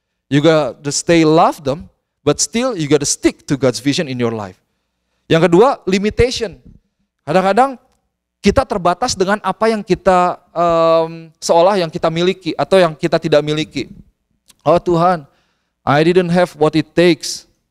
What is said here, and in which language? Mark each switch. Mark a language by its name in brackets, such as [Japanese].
[English] You gotta stay love them, but still you gotta stick to God's vision in your life. [Indonesian] Yang kedua, limitation. Kadang-kadang kita terbatas dengan apa yang kita seolah yang kita miliki atau yang kita tidak miliki. Oh Tuhan, [English] I didn't have what it takes.